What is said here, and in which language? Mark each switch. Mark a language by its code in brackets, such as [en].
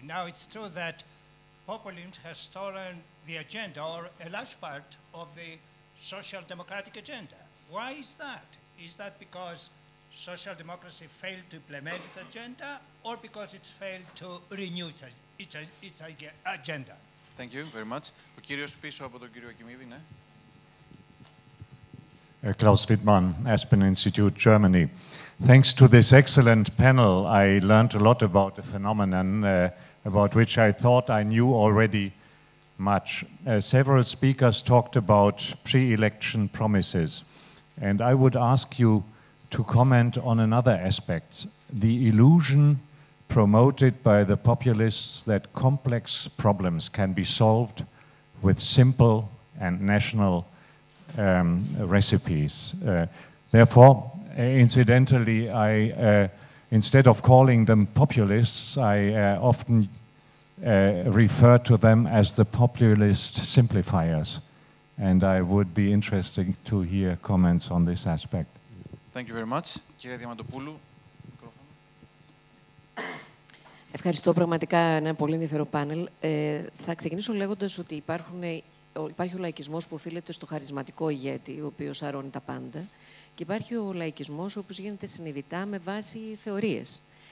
[en] Now, it's true that populism has stolen the agenda, or a large part of the social democratic agenda. Why is that? Is that because social democracy failed to implement its agenda, or because it's failed to renew its agenda? Thank you very much. [el] Ο κύριος πίσω από τον κύριο Κιμίδη, ναι. [en] Klaus Wittmann, Aspen Institute, Germany. Thanks to this excellent panel, I learned a lot about a phenomenon about which I thought I knew already much. Several speakers talked about pre-election promises, and I would ask you to comment on another aspect, the illusion promoted by the populists that complex problems can be solved with simple and national recipes. Therefore, incidentally, I, instead of calling them populists, I often refer to them as the populist simplifiers. And I would be interested to hear comments on this aspect. Thank you very much. [el] Κύριε Διαμαντοπούλου, μικρόφωνο. Ευχαριστώ πραγματικά, ένα πολύ ενδιαφέρον πάνελ. Θα ξεκινήσω λέγοντας ότι υπάρχει ο λαϊκισμός που οφείλεται στο χαρισματικό ηγέτη, ο οποίος σαρώνει τα πάντα, και υπάρχει ο λαϊκισμός ο οποίος γίνεται συνειδητά με βάση θεωρίες.